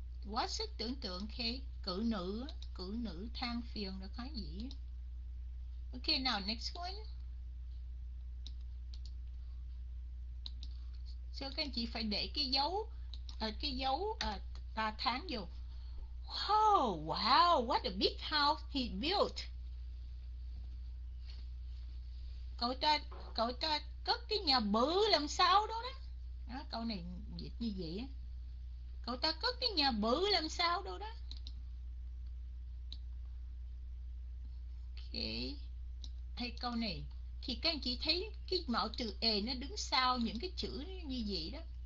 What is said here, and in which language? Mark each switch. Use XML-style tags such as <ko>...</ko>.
<vi>Quá sức tưởng tượng, khi cự nữ than phiền, đại khái gì.</vi> <en>Ok nào, next one.</en> <vi>Sao các anh chị phải để cái dấu ta tháng vô.</vi> <en>Oh, wow, what a big house he built.</en> <vi>Cậu ta cất cái nhà bự làm sao đó đó. Đó, câu này dịch như vậy. Cậu ta cất cái nhà bự làm sao đâu đó. Ok. Hay câu này. Thì các anh chị thấy cái mẫu từ a nó đứng sau những cái chữ như vậy đó.</vi>